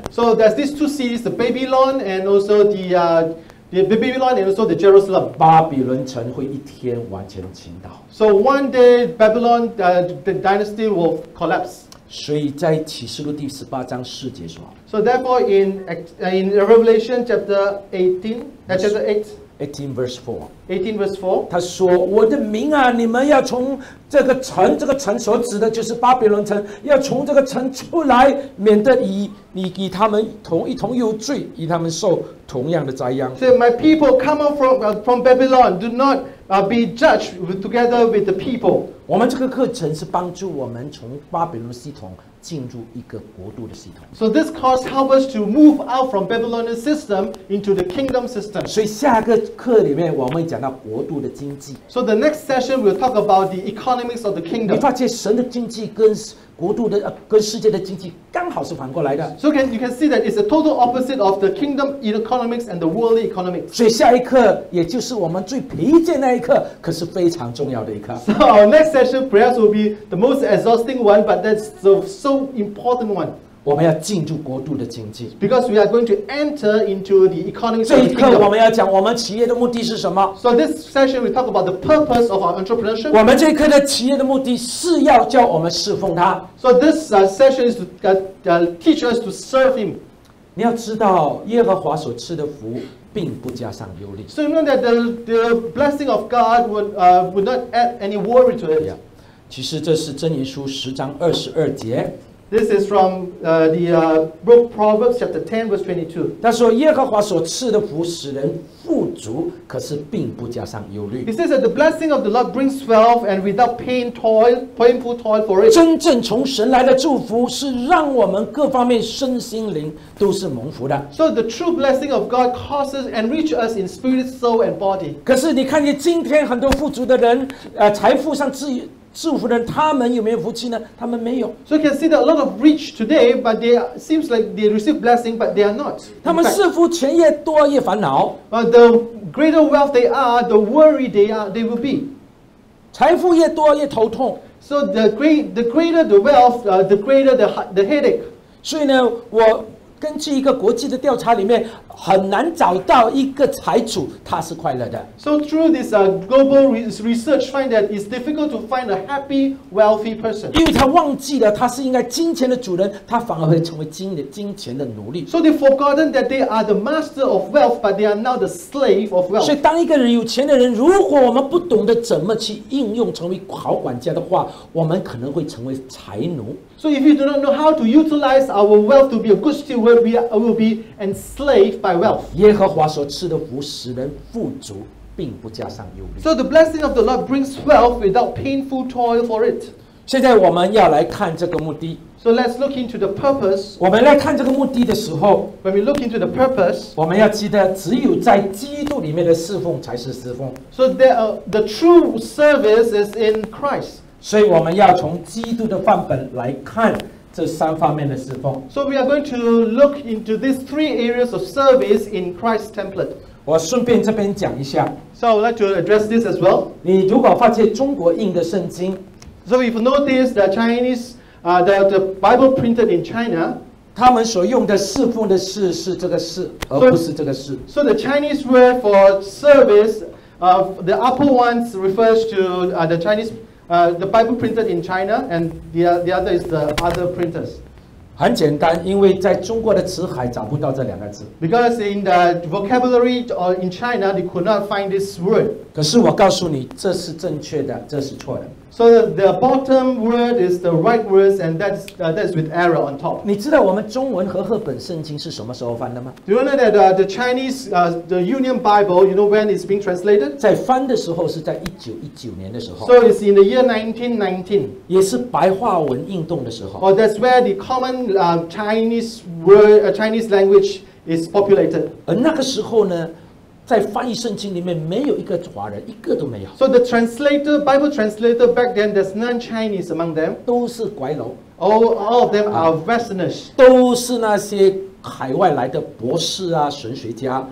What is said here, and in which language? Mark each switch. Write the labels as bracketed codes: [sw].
[en] So there's these two cities, the Babylon and also the Babylon and also the Jerusalem. [zh] 巴比伦城会一天完全倾倒。 [en] So one day Babylon, the dynasty will collapse. [zh] 所以在启示录第十八章四节说。 [en] So therefore in Revelation chapter 18, chapter 8. 18 verse 4. [zh] 他说：“我的民啊，你们要从这个城，这个城所指的就是巴比伦城，要从这个城出来，免得你与他们一同有罪，与他们受同样的灾殃。” [en] So my people come up from Babylon, do not be judged together with the people. [zh] 我们这个课程是帮助我们从巴比伦系统进入一个国度的系统。 [en] So this course helps us to move out from Babylonian system into the kingdom system. [zh] 所以下个课里面我们讲到国度的经济。 [en] So the next session we'll talk about the economics of the kingdom. [zh] 你发现神的经济跟国度的跟世界的经济刚好是反过来的。 [en] So you can see that it's a total opposite of the kingdom economics and the worldly economics. [zh] 所以下一课也就是我们最疲倦那一课，可是非常重要的一课。 [en] So our next session perhaps will be the most exhausting one, but that's the so important one. [zh] 我们要进入国度的经济。 [en] Because we are going to enter into the economic system. [zh] 这一课我们要讲我们企业的目的是什么。 [en] So this session we talk about the purpose of our entrepreneurship. [zh] 我们这一课的企业的目的是要教我们侍奉他。 [en] So this session is to teach us to serve him. [zh] 你要知道耶和华所赐的福并不加上忧虑。 [en] So you know that the blessing of God would not add any worry to it. Yeah. [zh] 其实这是箴言书十章二十二节。 [en] This is from book Proverbs chapter 10 verse 22. [zh] 他说耶和华所赐的福使人富足，可是并不加上忧虑。 [en] He says that the blessing of the Lord brings wealth and without painful toil for it. [zh] 真正从神来的祝福是让我们各方面身心灵都是蒙福的。 [en] So the true blessing of God causes and enriches us in spirit, soul, and body. [zh] 可是你看见今天很多富足的人，财富上自由。祝福人他们有没有福气呢？他们没有。 [en] So you can see that a lot of rich today, but they seems like they receive blessing, but they are not. [zh] 他们似乎钱越多越烦恼。 [en] But the greater wealth they are, the worry they will be. [zh] 财富越多越头痛。 [en] So the greater the wealth, the greater the headache. [zh] 所以呢，我根据一个国际的调查里面，很难找到一个财主他是快乐的。 [en] So through this global research, find that it's difficult to find a happy, wealthy person. [zh] 因为他忘记了他是应该金钱的主人，他反而会成为金钱的奴隶。 [en] So they've forgotten that they are the master of wealth, but they are now the slave of wealth. [zh] 所以当一个人有钱的人，如果我们不懂得怎么去应用成为好管家的话，我们可能会成为财奴。 [en] So if you do not know how to utilize our wealth to be a good steward, we will be enslaved by wealth. [zh] 耶和华所赐的福使人富足，并不加上忧虑。 [en] So the blessing of the Lord brings wealth without painful toil for it. [zh] 现在我们要来看这个目的。 [en] So let's look into the purpose. [zh] 我们来看这个目的的时候 [en] ，When we look into the purpose, [zh] 我们要记得，只有在基督里面的侍奉才是侍奉。 [en] So the true service is in Christ. [zh] 所以我们要从基督的范本来看这三方面的侍奉。 [en] So we are going to look into these three areas of service in Christ's template. [zh] 我顺便这边讲一下。 [en] So I would like to address this as well. [zh] 你如果发现中国印的圣经 [en] ，So if you notice the Chinese, the Bible printed in China. [zh] 他们所用的侍奉的事是这个事，而不是这个事。 [en] So the Chinese word for service, the upper ones refers to the Chinese, the Bible printed in China, and the other is the other printers. [zh] 很简单，因为在中国的词海找不到这两个字。 [en] Because in the vocabulary or in China, they could not find this word. [zh] 可是我告诉你，这是正确的，这是错的。 [en] So the bottom word is the right words, and that's with error on top. [zh] 你知道我们中文和合本圣经是什么时候翻的吗 [en] ？Do you know that the Chinese the Union Bible, you know when it's being translated? [zh] 在翻的时候是在1919年的时候。 [en] So it's in the year 1919. [zh] 也是白话文运动的时候。 [en] Oh, that's where the common Chinese word, Chinese language is populated. [zh] 而那个时候呢？在翻译圣经里面没有一个华人，一个都没有。 [en] So the translator, Bible translator back then, there's none Chinese among them. [zh] 都是拐佬。 [en] All of them are westerners. [zh] 都是那些海外来的博士啊，神学家。